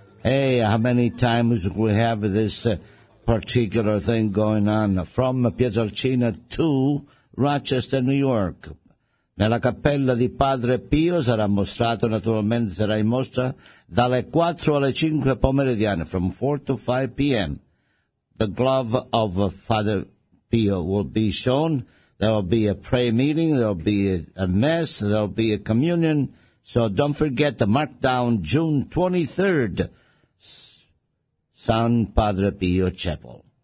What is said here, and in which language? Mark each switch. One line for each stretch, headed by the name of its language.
English: Hey, how many times we have this particular thing going on? From Pietrelcina to Rochester, New York.
Italian: Nella cappella di Padre Pio sarà mostrato, naturalmente sarà in mostra, dalle 4 alle 5 pomeridiane,
English: from 4 to 5 p.m. The glove of Father Pio will be shown. There will be a prayer meeting, there will be a mass, there will be a communion. So don't forget the markdown, June 23rd, San Padre Pio Chapel.